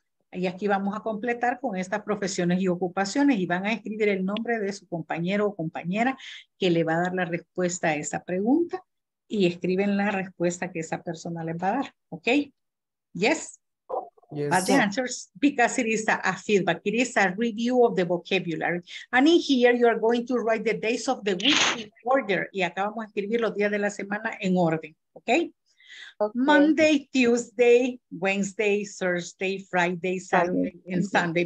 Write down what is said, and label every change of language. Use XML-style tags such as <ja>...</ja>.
<es>Y aquí vamos a completar con estas profesiones y ocupaciones y van a escribir el nombre de su compañero o compañera que le va a dar la respuesta a esa pregunta y escriben la respuesta que esa persona les va a dar.</es> <en>Okay? Yes? Yes. But the answers, because it is a feedback, it is a review of the vocabulary. And in here, you are going to write the days of the week in order.</en> <es>Y acá vamos a escribir los días de la semana en orden, okay?</es> <en>Monday, Tuesday, Wednesday, Thursday, Friday, Saturday, and Sunday.</en>